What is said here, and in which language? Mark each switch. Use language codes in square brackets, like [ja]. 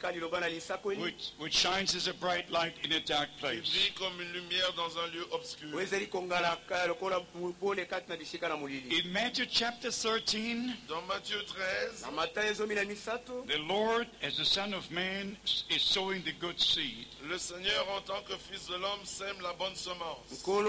[en] Which shines as a bright light in a dark place. [fr] Qui brille comme une lumière dans un lieu obscur. [en] In Matthew chapter 13, [fr] dans Matthieu 13, [en] the Lord, as the Son of Man, is sowing the good seed. [fr] Le Seigneur, en tant que Fils de l'homme, sème la bonne semence.